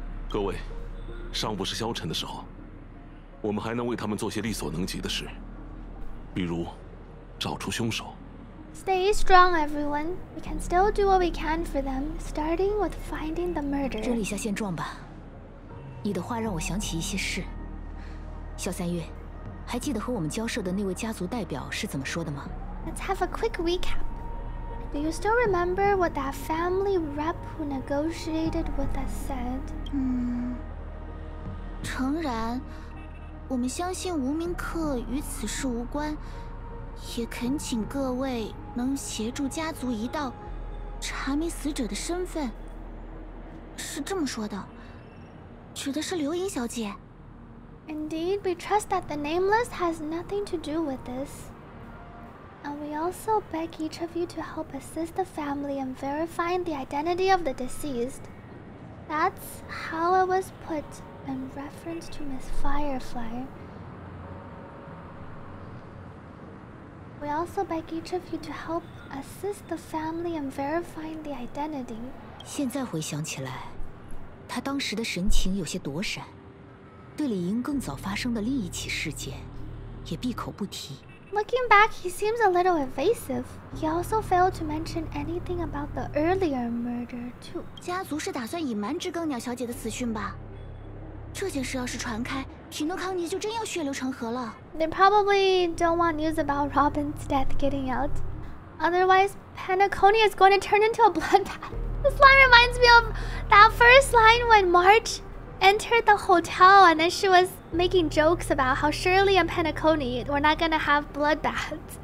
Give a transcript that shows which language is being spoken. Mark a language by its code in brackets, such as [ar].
[zh] 各位，尚不是消沉的时候，我们还能为他们做些力所能及的事，比如找出凶手。 [en] Stay strong, everyone. We can still do what we can for them, starting with finding the murderer. [zh] 整理一下现状吧。你的话让我想起一些事。小三月，还记得和我们交涉的那位家族代表是怎么说的吗？ [en] Let's have a quick recap. Do you still remember what that family rep who negotiated with us said? [zh] 诚然，我们相信无名客与此事无关，也恳请各位能协助家族一道查明死者的身份。是这么说的，指的是刘英小姐。 [en] Indeed, we trust that the nameless has nothing to do with this. And we also beg each of you to help assist the family in verifying the identity of the deceased. That's how it was put in reference to Miss Firefly. We also beg each of you to help assist the family in verifying the identity. [zh] 现在回想起来，他当时的神情有些躲闪，对李英更早发生的另一起事件也闭口不提。 [en] Looking back, he seems a little evasive. He also failed to mention anything about the earlier murder, too. [zh] 家族是打算隐瞒知更鸟小姐的死讯吧？这件事要是传开，匹诺康尼就真要血流成河了。 [en] They probably don't want news about Robin's death getting out. Otherwise, Penacony is going to turn into a bloodbath. This line reminds me of that first line when March entered the hotel and then she was making jokes about how Shirley and Penacony were not gonna have bloodbaths.